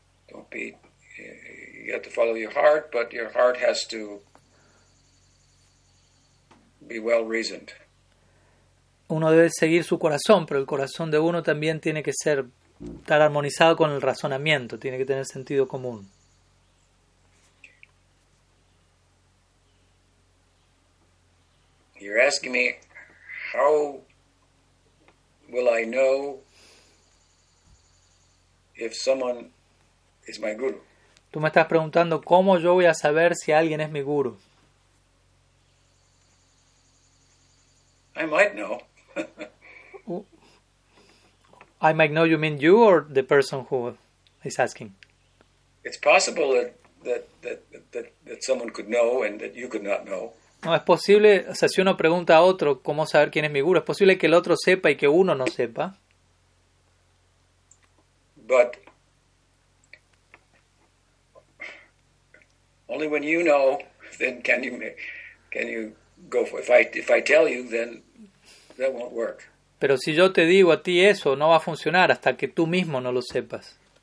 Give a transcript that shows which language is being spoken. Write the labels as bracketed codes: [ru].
[en] Don't be, you have to follow your heart, but your heart has to be well reasoned. [es] Uno debe seguir su corazón, pero el corazón de uno también tiene que ser estar armonizado con el razonamiento, tiene que tener sentido común. [en] You're asking me how will I know if someone is my guru? [es] Tú me estás preguntando cómo yo voy a saber si alguien es mi guru. [en] I might know. I might know, you mean you or the person who is asking? It's possible that someone could know and that you could not know. [es] No, es posible, o sea, si uno pregunta a otro cómo saber quién es mi guru, es posible que el otro sepa y que uno no sepa. [en] But only when you know, then can you go for it. If I tell you, then that won't work. [es] Pero si yo te digo a ti eso, no va a funcionar hasta que tú mismo no lo sepas.